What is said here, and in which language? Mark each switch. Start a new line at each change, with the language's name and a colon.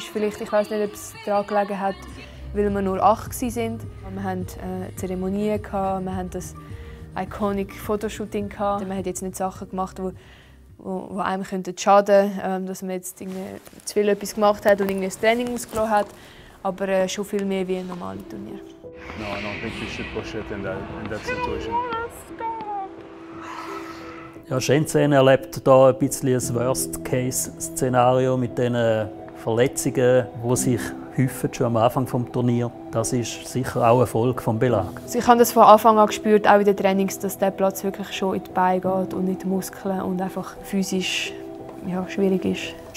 German: Vielleicht, ich weiß nicht, ob es daran gelegen hat, weil wir nur 8 waren. Wir hatten Zeremonien, wir hatten das iconic Fotoshooting. Man hat jetzt nicht Sachen gemacht, die die einem schaden könnten, dass man jetzt irgendwie zu viel etwas gemacht hat und irgendwie das Training ausgelassen hat. Aber schon viel mehr wie ein normales Turnier.
English: No, I don't think we should push it in that situation.
German: Ja, Shenzhen erlebt hier ein bisschen ein Worst-Case-Szenario mit den Verletzungen, die sich häufen, schon am Anfang des Turniers. Das ist sicher auch ein Folge des Belags. Ich habe das von Anfang an gespürt, auch in den Trainings, dass der Platz wirklich schon in die Beine geht und in die Muskeln und einfach physisch ja, schwierig ist.